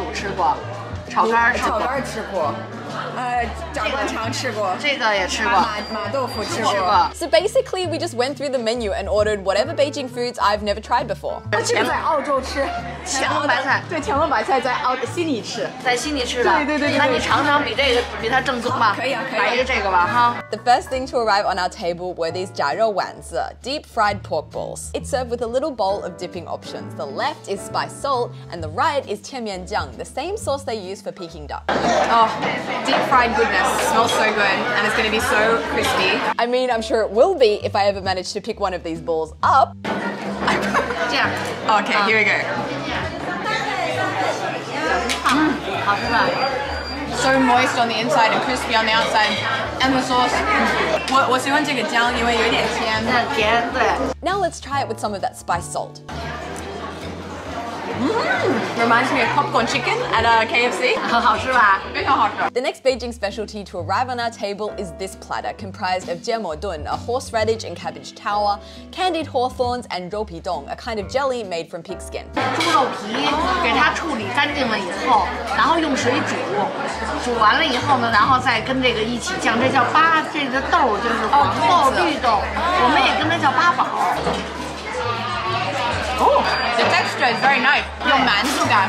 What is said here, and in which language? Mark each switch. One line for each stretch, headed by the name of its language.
Chinese: 你看它这做的，它这个上是不是跟那个沙县不一样？沙县那个皮比较厚，对吧？对，这是薄皮，对，上面还有一层薄薄的面。然后那个你还没吃过什么？爆肚吃过，爆肚吃过，炒肝吃过。
English: So basically, we just went through the menu and ordered whatever Beijing foods I've never tried before. The first thing to arrive on our table were these jiarou wanzi, deep fried pork balls. It's served with a little bowl of dipping options. The left is spice salt, and the right is qianmianjiang, the same sauce they use for Peking duck. Oh, deep fried goodness. It smells so good and it's going to be so crispy. I mean, I'm sure it will be if I ever manage to pick one of these balls up. Yeah. Okay, here we go. So moist on the inside and crispy on the outside. And the sauce.
Chinese: 我喜欢这个酱，因为有点甜。甜，对。
English: Now let's try it with some of that spice salt. Reminds me of popcorn chicken at KFC.
Chinese: 很好吃吧？非常好吃。
English: The next Beijing specialty to arrive on our table is this platter, comprised of jie mo dun, a horseradish and cabbage tower, candied hawthorns, and rou pi dong, a kind of jelly made from pig skin.
Chinese: 猪肉皮给它处理干净了以后，然后用水煮，煮完了以后呢，然后再跟这个一起酱，这叫八，这个豆就是爆绿豆，我们也跟它叫八宝。
English: Oh, the texture. texture is very nice.
Chinese: 有馒头感。